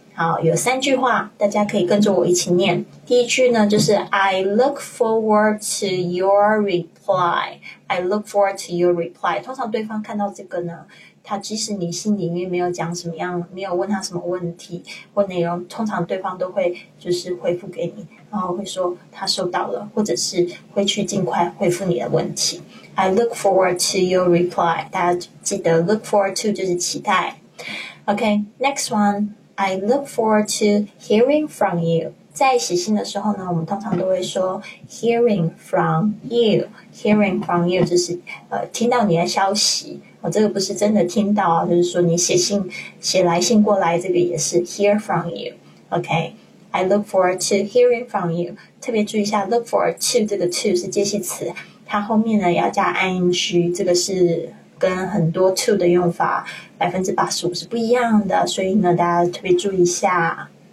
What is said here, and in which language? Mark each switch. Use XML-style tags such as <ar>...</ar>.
<zh>好，有三句话大家可以跟着我一起念。第一句呢就是</zh> <en>I look forward to your reply，</en> <zh>I look forward to your reply， 通常对方看到这个呢，他即使你信里面没有讲什么样，没有问他什么问题或内容，通常对方都会就是回复给你，然后会说他收到了，或者是会去尽快回复你的问题。</zh> <en>I look forward to your reply，</en> <zh>大家记得 look forward to 就是期待。</zh> <en>OK， next one， I look forward to hearing from you。</en> <zh>在写信的时候呢，我们通常都会说</zh> <en>hearing from you，</en> <zh>hearing from you 就是听到你的消息，这个不是真的听到，就是说你写信写来信过来，这个也是 hear from you。</zh> <en>OK， I look forward to hearing from you，</en> <zh>特别注意一下 look forward to， 这个 to 是介系词，它后面呢要加 ing， 这个是跟很多 to 的用法 85% 是不一样的，所以呢大家特别注意一下。</zh>